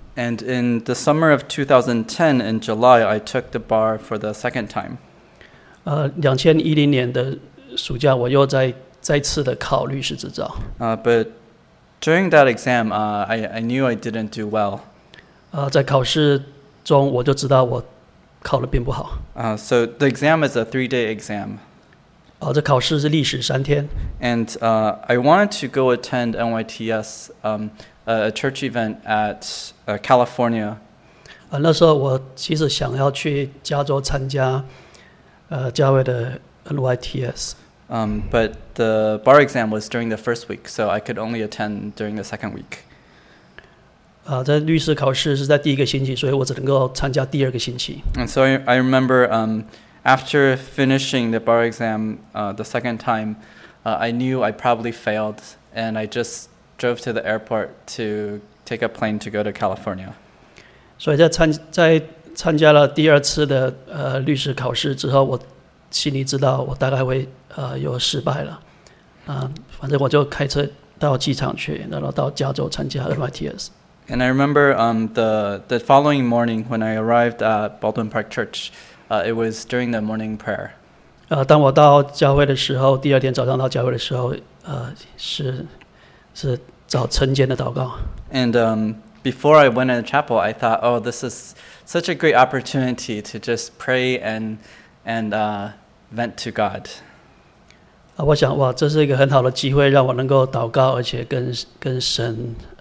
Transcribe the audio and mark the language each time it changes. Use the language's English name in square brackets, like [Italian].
[English] And in the summer of 2010, in July, I took the bar for the second time. [Chinese] 2010年的暑假，我又再次的考律师执照。 [English] But during that exam, I knew I didn't do well. [Chinese] 在考试中我就知道我考得并不好。 [English] So the exam is a three-day exam. [Chinese] 这考试是历时三天。 [English] And I wanted to go attend NYTS, a church event at California. [Chinese] 那时候我其实想要去加州参加教会的 NYTS。 [English] But the bar exam was during the first week, so I could only attend during the second week. [Chinese] 在律师考试是在第一个星期，所以我只能够参加第二个星期。 [English] And so I remember, after finishing the bar exam, the second time, I knew I probably failed, and I just drove to the airport to take a plane to go to California. [Chinese] 所以在参加了第二次的律师考试之后，我心里知道我大概会。又失败了，反正我就开车到机场去，然后到加州参加 NYTS。 [English] And I remember the following morning when I arrived at Baldwin Park Church, it was during the morning prayer. [Chinese] 当我到教会的时候，第二天早上到教会的时候，是早晨间的祷告。 [English] And before I went to the chapel, I thought, oh, this is such a great opportunity to just pray and vent to God. [Chinese] 我想哇，这是一个很好的机会，让我能够祷告，而且跟神